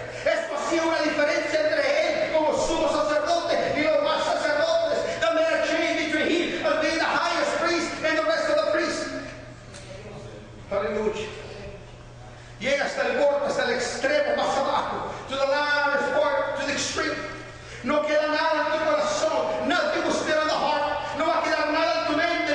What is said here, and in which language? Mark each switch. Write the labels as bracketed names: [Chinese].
[Spanish] Eso hacía una diferencia entre él como sumo sacerdote y los más sacerdotes. [English] The mere change between him and being the highest priest and the rest of the priests. [Spanish] Aleluya. Llega hasta el borde, hasta el extremo más abajo. [English] To the last part, to the extreme. [Spanish] No queda nada en tu corazón. [English] Nothing will stay on the heart. [Spanish] No va a quedar nada en tu mente.